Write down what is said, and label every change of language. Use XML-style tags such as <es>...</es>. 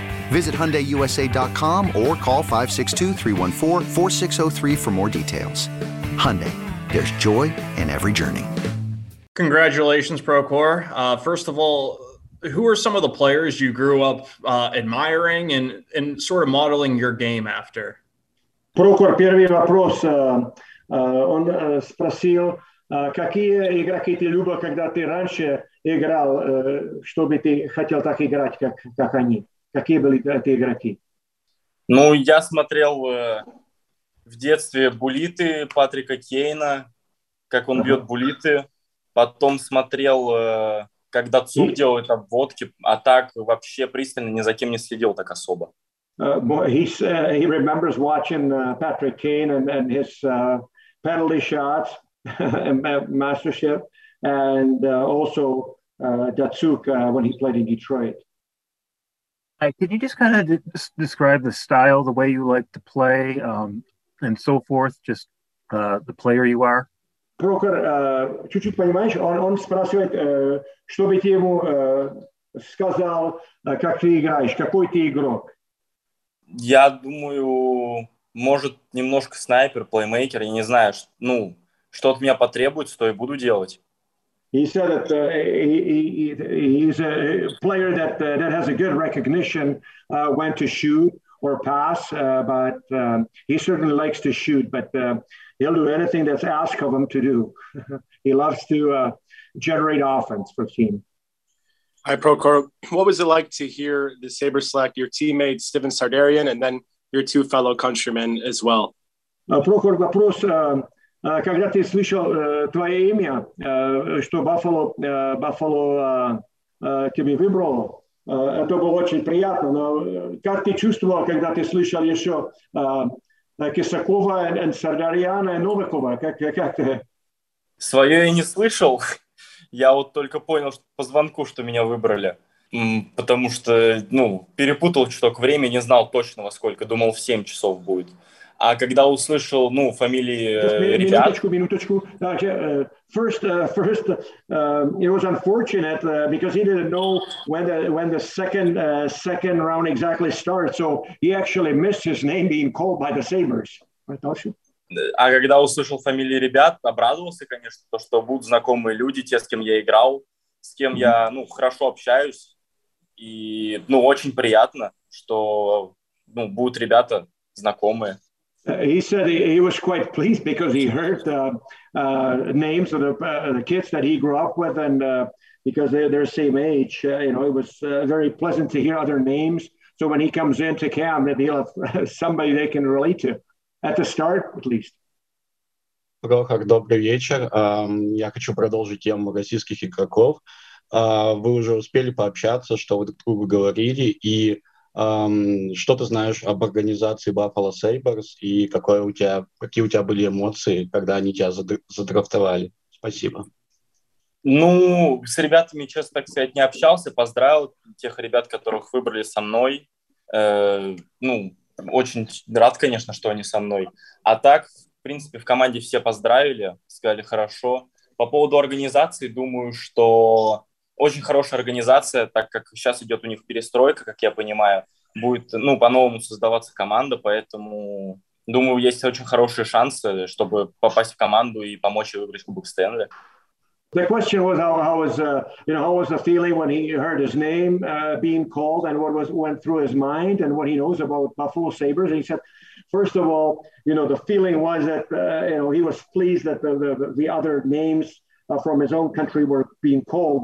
<en>Visit HyundaiUSA.com or call 562-314-4603 for more details. Hyundai, there's joy in every journey. Congratulations, Procore. First of all, who are some of the players you grew up admiring and sort of modeling your game after?</en> <ru>Procore, первый вопрос. Он спросил, какие игроки ты любил, когда ты раньше играл, чтобы ты хотел так играть, как они? Какие были эти игроки? Ну, я смотрел в детстве буллиты Патрика Кейна, как он бьет буллиты. Потом смотрел, когда Цук делает обводки, а так вообще пристально ни за кем не следил так особо.</ru> <en>He remembers watching Patrick Kane and his penalty shots. Mastership, and also Datsuk when he played in Detroit. Hey, could you just kind of describe the style, the way you like to play, and so forth, just the player you are?</en> <ru>Прокор, чуть-чуть понимаешь, он спрашивает, что бы ты ему сказал, как ты играешь, какой ты игрок? Я думаю, может, немножко снайпер, плеймейкер, я не знаю, ну, что от меня потребуется, то и буду делать.</ru> <en>He said that he's a player that has a good recognition when to shoot or pass, but he certainly likes to shoot, but he'll do anything that's asked of him to do. He loves to generate offense for team. Hi, Procore. What was it like to hear the Sabres select your teammate, Steven Sarderian, and then your two fellow countrymen as well?</en> <ru>Procore, вопрос... когда ты слышал твое имя, что Buffalo тебе выбрало, это было очень приятно. Но как ты чувствовал, когда ты слышал еще Кисакова, Сардариана и Новикова? Как ты? Свое я не слышал. Я вот только понял что по звонку, что меня выбрали. Потому что, ну, перепутал чуток время, не знал точно во сколько. Думал, в 7 часов будет. А когда услышал, ну, фамилии ребят... Минуточку.</ru> <en>First, it was unfortunate because he didn't know when the second round exactly starts, so he actually missed his name being called by the Sabres.</en> <ru>А когда услышал фамилии ребят, обрадовался, конечно, то, что будут знакомые люди, те, с кем я играл, с кем я, ну, хорошо общаюсь. И, ну, очень приятно, что, ну, будут ребята знакомые.</ru> <en>He said he was quite pleased because he heard the names of the kids that he grew up with, and because they're the same age, you know, it was very pleasant to hear other names. So when he comes into camp, maybe he'll have somebody they can relate to at the start, at least.</en> <ru>Прохор, добрый вечер. Я хочу продолжить тему российских игроков. Вы уже успели пообщаться, что вы друг другу говорили, и что ты знаешь об организации Buffalo Sabres и какие у тебя были эмоции, когда они тебя задрафтовали? Спасибо. Ну, с ребятами, честно так сказать, не общался. Поздравил тех ребят, которых выбрали со мной. Ну, очень рад, конечно, что они со мной. А так, в принципе, в команде все поздравили, сказали хорошо. По поводу организации, думаю, что очень хорошая организация, так как сейчас идет у них перестройка, как я понимаю, будет, ну, по-новому создаваться команда, поэтому, думаю, есть очень хорошие шансы, чтобы попасть в команду и помочь выиграть Кубок Стэнли.</ru> <en>The question was how was the feeling when he heard his name being called and what went through his mind and what he knows about Buffalo Sabres. And he said, first of all, you know, the feeling was that he was pleased that the other names from his own country were being called.</en>